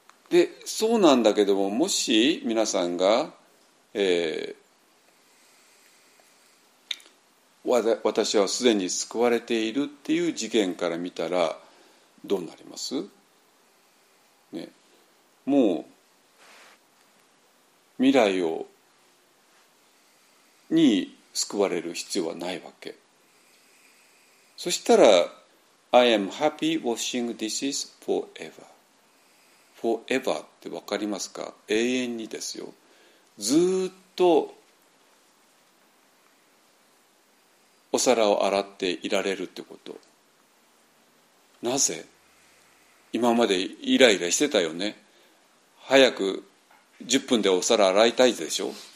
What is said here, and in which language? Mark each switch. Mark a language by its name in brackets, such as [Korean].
[Japanese] で、そうなんだけども、もし、皆さんが、私はすでに救われているっていう次元から見たら、どうなります？ね。もう、未来をに救われる必要はないわけ。そしたら、 [English] I am happy washing dishes forever. [Japanese] Forever ってわかりますか？永遠にですよ。ずっとお皿を洗っていられるってこと。なぜ？今までイライラしてたよね。早く10分でお皿洗いたいでしょ。